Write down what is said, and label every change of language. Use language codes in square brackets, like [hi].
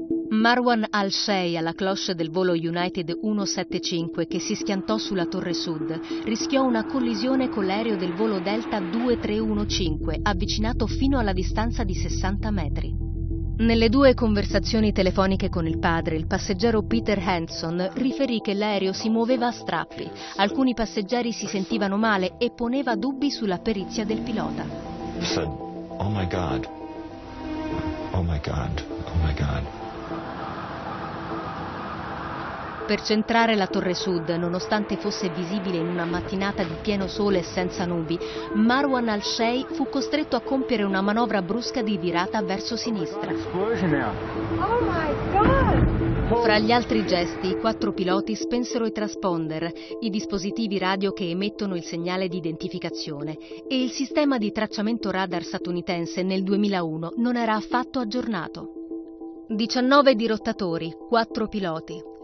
[it] Marwan Al-Shay, alla cloche del volo United 175 che si schiantò sulla Torre Sud, rischiò una collisione con l'aereo del volo Delta 2315, avvicinato fino alla distanza di 60 metri. Nelle due conversazioni telefoniche con il padre, il passeggero Peter Hanson riferì che l'aereo si muoveva a strappi, alcuni passeggeri si sentivano male e poneva dubbi sulla perizia del pilota. [en] Oh my God, oh my God, oh my God. [it] Per centrare la Torre Sud, nonostante fosse visibile in una mattinata di pieno sole e senza nubi, Marwan Al-Shay fu costretto a compiere una manovra brusca di virata verso sinistra. Fra gli altri gesti, i quattro piloti spensero i transponder, i dispositivi radio che emettono il segnale di identificazione, e il sistema di tracciamento radar statunitense nel 2001 non era affatto aggiornato. 19 dirottatori, 4 piloti.